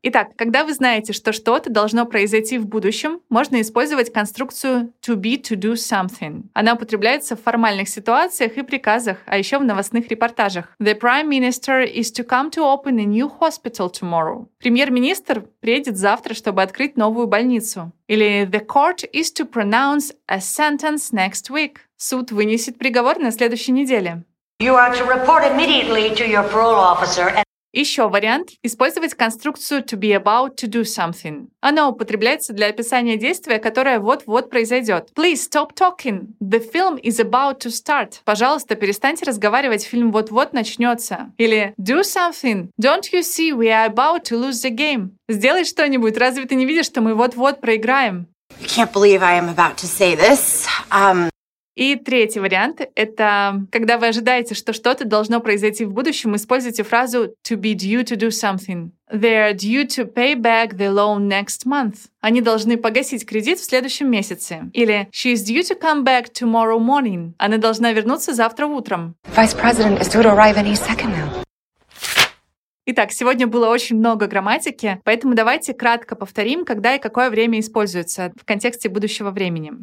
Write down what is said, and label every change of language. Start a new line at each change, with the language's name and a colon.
Russian: Итак, когда вы знаете, что что-то должно произойти в будущем, можно использовать конструкцию to be to do something. Она употребляется в формальных ситуациях и приказах, а еще в новостных репортажах.
English: The Prime Minister is to come to open a new hospital tomorrow.
Russian: Премьер-министр приедет завтра, чтобы открыть новую больницу. Или
English: the court is to pronounce a sentence next week.
Russian: Суд вынесет приговор на следующей неделе.
English: You are to report immediately to your parole officer.
Russian: Еще вариант – использовать конструкцию to be about to do something. Оно употребляется для описания действия, которое вот-вот произойдет.
English: Please stop talking. The film is about to start.
Russian: Пожалуйста, перестаньте разговаривать, фильм вот-вот начнется. Или
English: do something. Don't you see we are about to lose the game?
Russian: Сделай что-нибудь, разве ты не видишь, что мы вот-вот проиграем?
English: I can't believe I am about to say this.
Russian: И третий вариант – это когда вы ожидаете, что что-то должно произойти в будущем, используйте фразу «to be due to do something».
English: They are due to pay back the loan next month.
Russian: Они должны погасить кредит в следующем месяце. Или
English: she is due to come back tomorrow morning.
Russian: Она должна вернуться завтра утром.
English: Vice President is due to arrive any second now.
Russian: Итак, сегодня было очень много грамматики, поэтому давайте кратко повторим, когда и какое время используется в контексте будущего времени.